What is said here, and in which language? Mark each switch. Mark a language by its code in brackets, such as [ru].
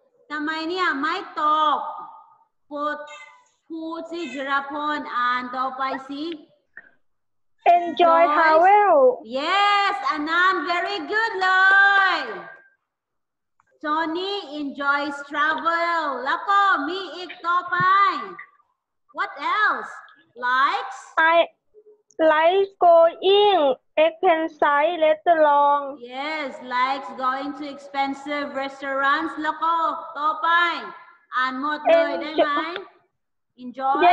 [th] ทำไมเนี่ยไม่ตอบพูดสิจิราพรอ่านต่อไปสิ [en] Enjoy Howell Yes Anand very good เลย Tony enjoys travel [th] แล้วก็มีอีกต่อไป [en] What else likes I like going expensive restaurant yes likes going to expensive restaurants [th] แล้วก็ต่อไปอ่านหมดเลยได้ไหม [en] enjoy